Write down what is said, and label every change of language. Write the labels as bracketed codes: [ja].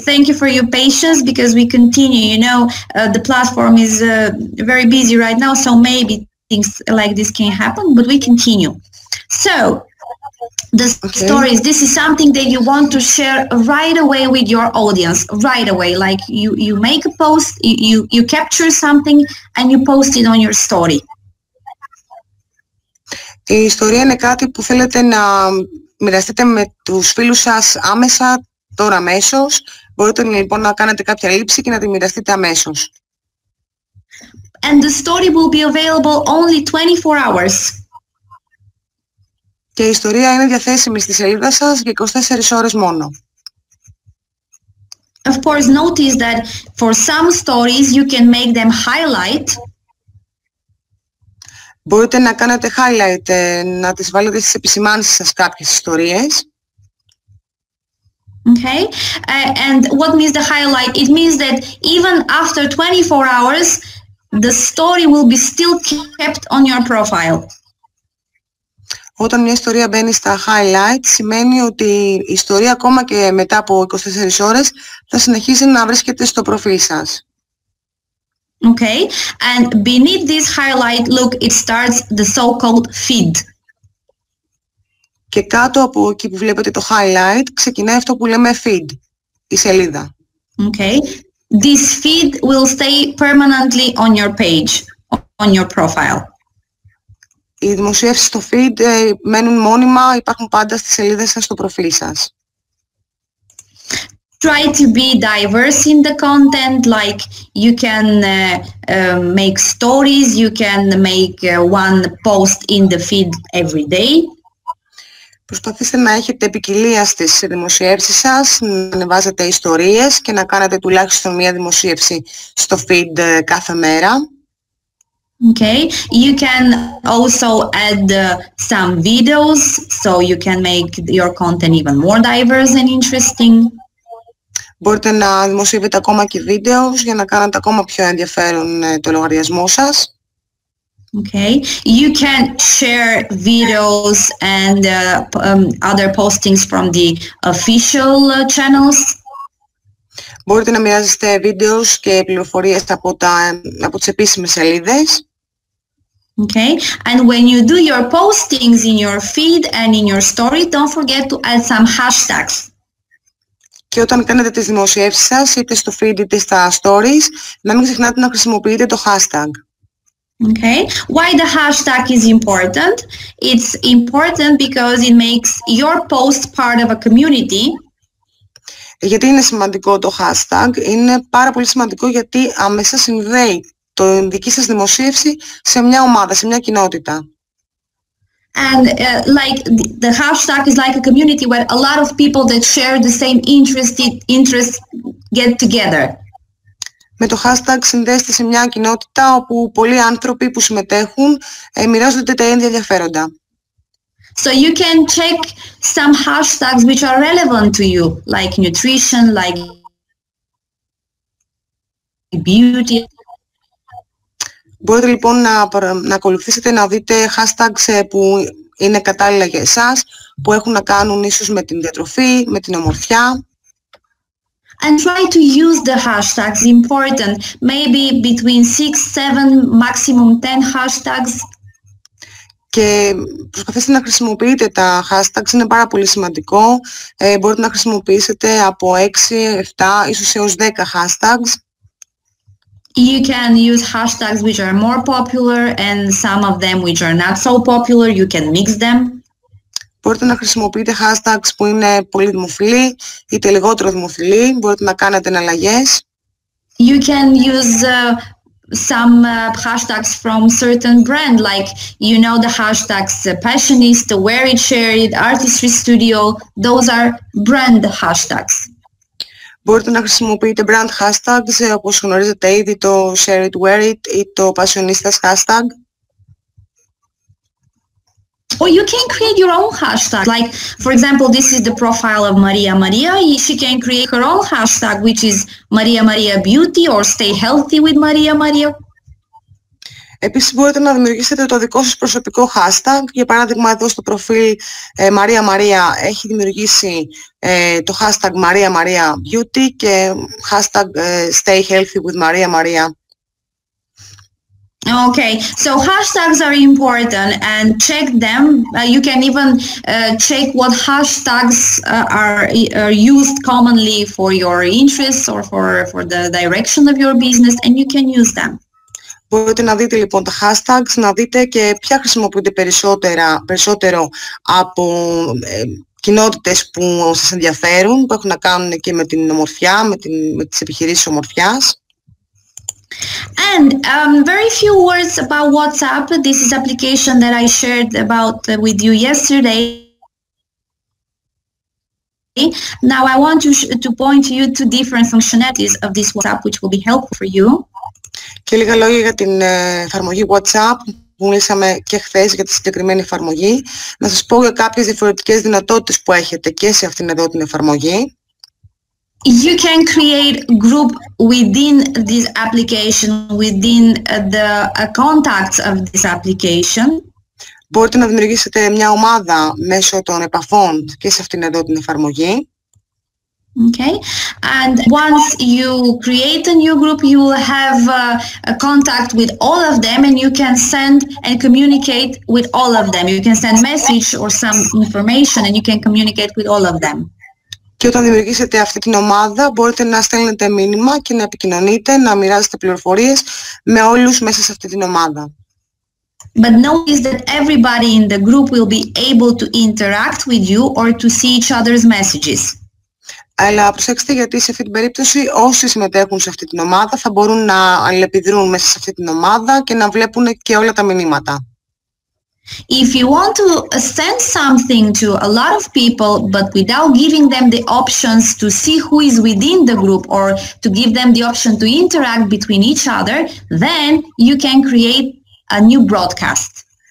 [en] Thank you for your patience because we continue. You know, the platform is very busy right now, so maybe things like this can happen. But we continue. So stories, this is something that you want to share right away with your audience, right away. Like you make a post, you capture something and you post it on your story. [el] Η ιστορία είναι κάτι που θέλετε να μοιραστείτε με τους φίλους σας άμεσα, τώρα αμέσως. Μπορείτε λοιπόν να κάνετε κάποια λήψη και να τη μοιραστείτε αμέσως. [en] And the story will be available only 24 hours. [el] Και η ιστορία είναι διαθέσιμη στη σελίδα σας για 24 ώρες μόνο. [en] Of course, notice that for some stories you can make them highlight. [el] Μπορείτε να κάνετε highlight, να τις βάλετε στις επισημάνσεις σας κάποιες ιστορίες. [en] Okay, and what means the highlight? It means that even after 24 hours, the story will be still kept on your profile. [el] Όταν μια ιστορία μπαίνει στα highlights, σημαίνει ότι η ιστορία ακόμα και μετά από 24 ώρες θα συνεχίσει να βρίσκεται στο προφίλ σας. [en] Okay, and beneath this highlight, look, it starts the so-called feed. [el] Και κάτω από εκεί που βλέπετε το highlight, ξεκινάει αυτό που λέμε feed, η σελίδα. [en] Okay, this feed will stay permanently on your page, on your profile. [el] Οι δημοσιεύσεις στο feed μένουν μόνιμα, υπάρχουν πάντα στις σελίδες σας, στο προφίλ σας. [en] Try to be diverse in the content, like you can make stories, you can make one post in the feed every day. [el] Προσπαθήστε να έχετε ποικιλία στις δημοσιεύσεις σας, να ανεβάζετε ιστορίες και να κάνετε τουλάχιστον μία δημοσίευση στο feed κάθε μέρα. [en] Okay, you can also add some videos, so you can make your content even more diverse and interesting. [el] Μπορείτε να δημοσιεύετε ακόμα και βίντεο για να κάνετε ακόμα πιο ενδιαφέρον το λογαριασμό σας. [en] Okay, you can share videos and other postings from the official channels. [el] Μπορείτε να μοιράζεστε βίντεο και πληροφορίες από τις επίσημες σελίδες. [en] Okay, and when you do your postings in your feed and in your story, don't forget to add some hashtags. [el] Και όταν κάνετε τις δημοσιεύσεις σας, είτε στο feed είτε στα stories, να μην ξεχνάτε να χρησιμοποιείτε το hashtag. [en] Okay, why the hashtag is important? It's important because it makes your post part of a community. [el] Γιατί είναι σημαντικό το hashtag? Είναι πάρα πολύ σημαντικό γιατί αμέσως συνδέει το δική σας δημοσίευση σε μια ομάδα, σε μια κοινότητα. [en] And like the hashtag is like a community where a lot of people that share the same interests get together. [el] Με το hashtag συνδέεστε σε μια κοινότητα όπου πολλοί άνθρωποι που συμμετέχουν μοιράζονται τα ίδια ενδιαφέροντα. [en] So you can check some hashtags which are relevant to you, like nutrition, like beauty. [el] Μπορείτε λοιπόν να ακολουθήσετε, να δείτε hashtags που είναι κατάλληλα για εσάς, που έχουν να κάνουν ίσως με την διατροφή, με την ομορφιά. [en] And try to use the hashtags, important, maybe between 6, 7, maximum 10 hashtags. [el] και προσπαθήστε να χρησιμοποιείτε τα hashtags, είναι πάρα πολύ σημαντικό. Μπορείτε να χρησιμοποιήσετε από 6, 7, ίσως έως 10 hashtags. [en] You can use hashtags which are more popular and some of them which are not so popular, you can mix them. [el] Μπορείτε να χρησιμοποιείτε hashtags που είναι πολύ δημοφιλή είτε λιγότερο δημοφιλή, μπορείτε να κάνετε εναλλαγές. [en] You can use some hashtags from certain brand, like you know the hashtags passionist, wear it, share it, artistry studio, those are brand hashtags. [el] Μπορείτε να χρησιμοποιείτε brand hashtags, όπως γνωρίζετε ήδη το share it, wear it ή το passionistas hashtag. [en] Or you can create your own hashtag, like for example this is the profile of Maria Maria, she can create her own hashtag which is Maria Maria Beauty or Stay Healthy with Maria Maria. [el] Επίσης μπορείτε να δημιουργήσετε το δικό σας προσωπικό hashtag, για παράδειγμα εδώ στο προφίλ Maria Maria έχει δημιουργήσει το hashtag Maria Maria Beauty και hashtag Stay Healthy with Maria Maria. [en] Okay, so hashtags are important and check them. You can even check what hashtags are used commonly for your interests or for the direction of your business and you can use them. [el] Μπορείτε να δείτε λοιπόν τα hashtags, να δείτε και ποια χρησιμοποιούνται περισσότερο από κοινότητες που σας ενδιαφέρουν, που έχουν να κάνουν και με την ομορφιά, με τις επιχειρήσεις ομορφιάς. [en] And very few words about WhatsApp. This is application that I shared about with you yesterday. Now I want to point you to different functionalities of this WhatsApp, which will be helpful for you. [el] Και λίγα λόγια για την εφαρμογή WhatsApp που μιλήσαμε και χθες για τη συγκεκριμένη εφαρμογή. Να σας πω για κάποιες διαφορετικές δυνατότητες που έχετε και σε αυτήν εδώ την εφαρμογή. [en] You can create group within this application, within the contacts of this application. [el] Μπορείτε να δημιουργήσετε μια ομάδα μέσω των επαφών και σε αυτήν εδώ την εφαρμογή. [en] Okay, and once you create a new group, you will have a contact with all of them and you can send and communicate with all of them. You can send message or some information and you can communicate with all of them. [el] Και όταν δημιουργήσετε αυτή την ομάδα, μπορείτε να στέλνετε μήνυμα και να επικοινωνείτε, να μοιράζετε πληροφορίες με όλους μέσα σε αυτή την ομάδα. [en] But notice that everybody in the group will be able to interact with you or to see each other's messages. [el] Αλλά προσέξτε, γιατί σε αυτή την περίπτωση όσοι συμμετέχουν σε αυτή την ομάδα θα μπορούν να αλληλεπιδρούν μέσα σε αυτή την ομάδα και να βλέπουν και όλα τα μηνύματα. [en] If you want to send something to a lot of people but without giving them the options to see who is within the group or to give them the option to interact between each other, then you can create a new broadcast.